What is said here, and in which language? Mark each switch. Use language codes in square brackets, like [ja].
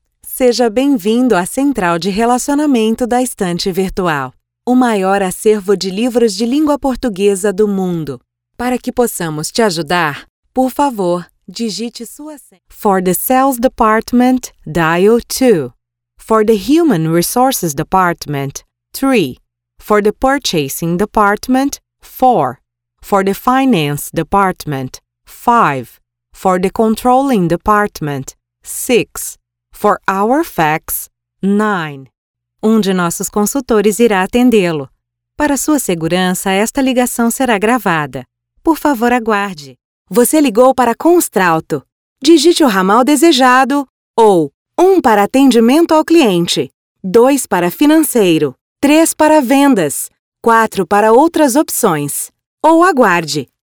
[pt] Seja bem-vindo à Central de Relacionamento da Estante Virtual, o maior acervo de livros de língua portuguesa do mundo. Para que possamos te ajudar, por favor, digite sua senha. [en] For the Sales Department, dial 2. For the Human Resources Department, 3. For the Purchasing Department, 4. For the Finance Department, 5. For the Controlling Department, 6. For our fax, 9. [pt] Um de nossos consultores irá atendê-lo. Para sua segurança, esta ligação será gravada. Por favor, aguarde. Você ligou para Constrauto. Digite o ramal desejado ou 1 para atendimento ao cliente, 2 para financeiro, 3 para vendas, 4 para outras opções. Ou aguarde.